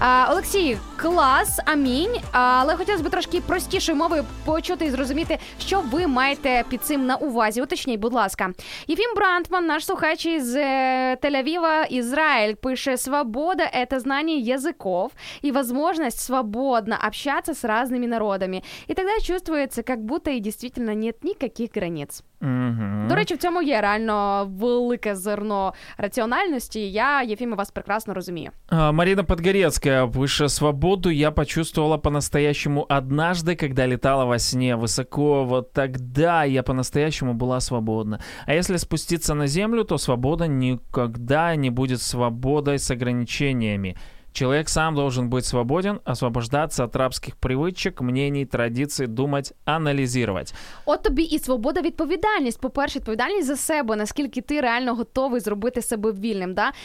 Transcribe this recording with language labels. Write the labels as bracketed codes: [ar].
[uk] Олексій, клас, амінь. Але хотілося б трошки простішою мовою почути і зрозуміти, що ви маєте під цим на увазі. Уточніть, будь ласка. Єфім Брантман, наш слухач із Тель-Авіва, Ізраїль, пише: «Свобода – це знання язиков і можливість свободи свободно общаться с разными народами». [ru] И тогда чувствуется, как будто и действительно нет никаких границ. Угу. [uk] До речі, в цьому є реально велике зерно раціональності. Я, Єфіме, вас прекрасно розумію. [ru] Марина Подгорецкая пише: «Свободу я почувствовала по-настоящему однажды, когда летала во сне высоко. Вот тогда я по-настоящему была свободна. А если спуститься на землю, то свобода никогда не будет свободой с ограничениями. Человек сам должен быть свободен, освобождаться от рабских привычек, мнений, традиций, думать, анализировать». [uk] От тобі і свобода, відповідальність. По-перше, відповідальність за себе, наскільки ти реально готовий зробити себе вільним, да?